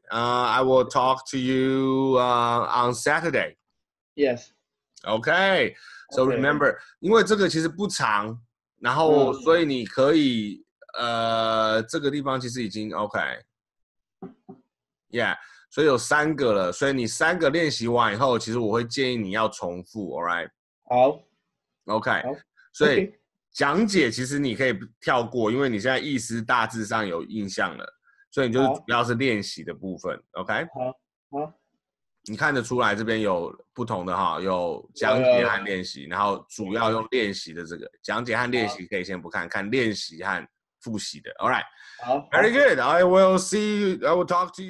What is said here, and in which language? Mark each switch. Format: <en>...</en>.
<en>I will talk to you on Saturday。 Yes。 Okay， so remember，</en> <zh>因为这个其实不长，然后所以你可以这个地方其实已经</zh> <en>okay， yeah。</en> <zh>所以有三个了，所以你三个练习完以后，其实我会建议你要重复 ，</zh> <en>All right？</en> <zh>好，OK 好。所以讲解其实你可以跳过，因为你现在意思大致上有印象了，所以你就是主要是练习的部分 ，OK？好，你看得出来这边有不同的哈，有讲解和练习，然后主要用练习的这个讲解和练习可以先不看，看练习和复习的 ，</zh> <en>All right？</en> <zh>好</zh> <en>，Very good。I will see you. I will talk to you.</en>